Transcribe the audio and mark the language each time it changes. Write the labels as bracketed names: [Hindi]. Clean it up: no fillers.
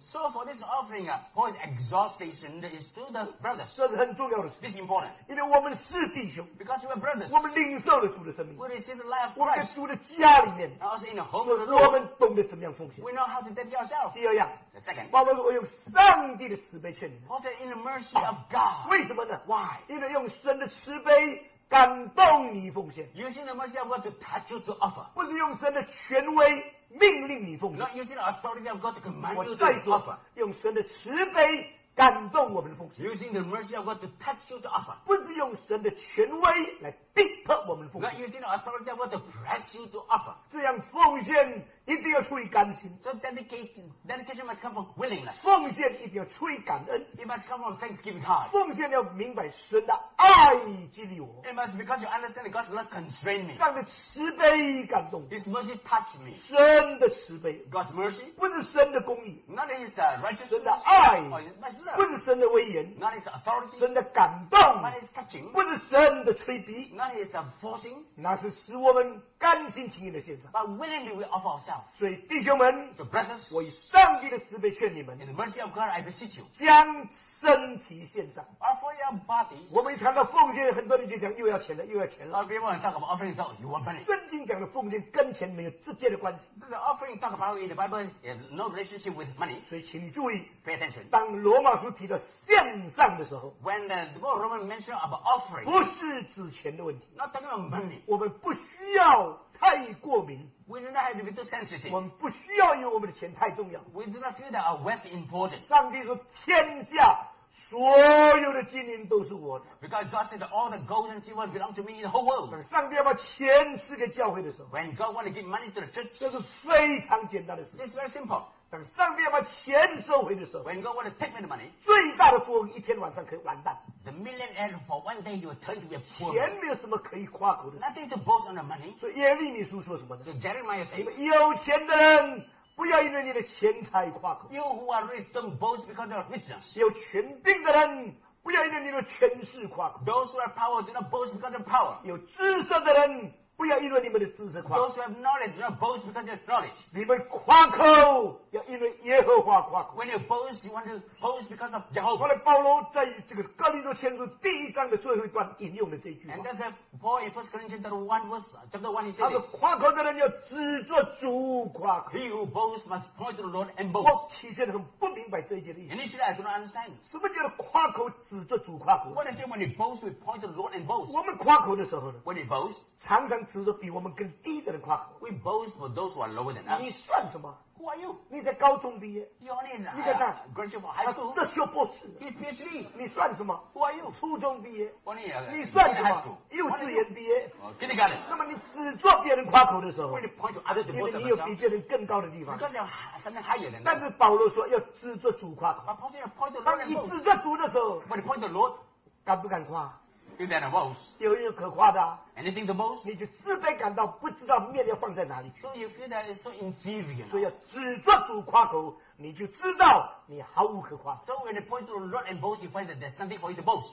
[English] So for this offering, Paul's exhortation is to the brothers. [Chinese] 这是很重要的事。 [English] This is important. [Chinese] 因为我们是弟兄。 [English] Because we are brothers. [Chinese] 我们领受了主的生命。 [English] We receive the life of Christ. [Chinese] 我们在主的家里面。 [English] Also in the home of the Lord. [Chinese] 我们懂得怎么样奉献。 [English] We know how to dedicate ourselves. [Chinese] 第二样。 [English] The second. [Chinese] 保罗说我用上帝的慈悲劝勉。 [English] Paul said in the mercy of God. [Chinese] 为什么呢？ [English] Why? [Chinese] 因为用神的慈悲感动你奉献。 [English] Using the mercy of God to touch you to offer. [Chinese] 不是用神的权威命令你奉献。 [English] Not using the authority of God to command you to offer. [Chinese] 我再说，用神的慈悲感动我们的奉献。 [English] Using the mercy of God to touch you to offer. [Chinese] 不是用神的权威来逼迫我们的奉献。 [English] Not using the authority of God to press you to offer. [Chinese] 这样奉献一定要出于甘心。 [English] So dedication must come from willingness. [Chinese] 奉献一定要出于感恩。 [English] It must come from thanksgiving heart. [Chinese] 奉献要明白神的爱激励我。 [English] It must because you understand God's love constrain me. [Chinese] 上帝慈悲感动。 [English] His mercy touch me. [Chinese] 神的慈悲。 [English] God's mercy. [Chinese] 不是神的公义。 [English] Not his righteousness. [Chinese] 神的爱。 [English] Love. [Chinese] 不是神的威严。 [English] Not his authority. [Chinese] 神的感动。 [English] Not his touching. [Chinese] 不是神的吹鼻。 [English] Not his forcing. [Chinese] 那是使我们甘心情愿的献上。 [English] But willingly we offer ourselves. [Chinese] 所以弟兄们 [English] so brothers, [Chinese] 我以上帝的慈悲劝你们 [English] in the mercy of God, I beseech you, [Chinese] 将身体献上 [English] offer your body, [Chinese] 我们一谈到奉献很多人就讲又要钱了又要钱了 [English] people want to talk about offering so you want money. [Chinese] 圣经讲的奉献跟钱没有直接的关系 [English] the offering talk about in the Bible has no relationship with money. [Chinese] 所以请你注意 [English] pay attention. [Chinese] 当罗马书提到献上的时候 [English] when the book of Romans mentioned about offering [Chinese] 不是指钱的问题 [English] not talking about money. [Chinese] 我们不需要太过敏 [English] We do not have to be too sensitive. [Chinese] 我们不需要因为我们的钱太重要 [English] We do not feel that our wealth is important. [Chinese] 上帝说天下所有的金银都是我的 [English] Because God said all the gold and silver belong to me in the whole world. [Chinese] 当上帝要把钱赐给教会的时候 [English] When God wants to give money to the church. [Chinese] 这是非常简单的事 [English] This is very simple. [Chinese] 当上帝要把钱收回的时候 [English] When God wants to take me the money. [Chinese] 最大的富翁一天晚上可以完蛋 [English] The millionaire for one day you will turn to be a poor man. [Chinese] 钱没有什么可以夸口的 [English] Nothing to boast on the money. [Chinese] 所以耶利米书说什么呢 [English] So Jeremiah said [Chinese] 有钱的人不要因为你的钱财夸口。 [English] You who are rich don't boast because they are riches. [Chinese] 有权柄的人不要因为你的权势夸口。 [English] Those who have power do not boast because of power. [Chinese] 有知识的人不要因为你们的知识夸口。 [English] Those who have knowledge do not boast because of knowledge. [Chinese] 你们夸口要因为耶和华夸口。 [English] When you boast, you want to boast because of Jehovah. [Chinese] 后来保罗在这个哥林多前书第一章的最后一段引用了这句话。 [English] And that's why Paul in 1 Corinthians 1 verse chapter 1 he says. [Chinese] 他说夸口的人要指着主夸口。 [English] He who boasts must point to the Lord and boast. [Chinese] 我其实很不明白这一节的意思。 [English] Initially, I do not understand. [Chinese] 什么叫夸口指着主夸口？ [English] What does it mean when you boast, we point to the Lord and boast? [Chinese] 我们夸口的时候呢？ [English] When you boast, [Chinese] 常常指着比我们更低的人夸口。 [English] We boast for those who are lower than us. [Chinese] 你算什么？ [English] Who are you? [Chinese] 你在高中毕业 [English] You are not [Chinese] 这学博士 [English] He's PhD [Chinese] 你算什么 [English] Who are you? [Chinese] 初中毕业 [English] Only, [Chinese] 你算什么幼稚园毕业 [English] Kindergarten [Chinese] 那么你只做别人夸口的时候 [English] When you point to other people [Chinese] 因为你有比别人更高的地方 [English] Because you have something higher than [Chinese] that 但是保罗说要指着主夸口 [English] But Paul said you point to the Lord [Chinese] 当你指着主的时候 [English] When you point to the Lord [Chinese] 敢不敢夸 [English] Boast. [Chinese] 有一个可夸的、啊、 [English] Anything to boast? [Chinese] 你就自卑感到不知道面要放在哪里 [English] So you feel that it's so inferior [Chinese] 所以要指着主夸口你就知道你毫无可夸 [English] So when you point to the Lord and boast you find that there's nothing for you to boast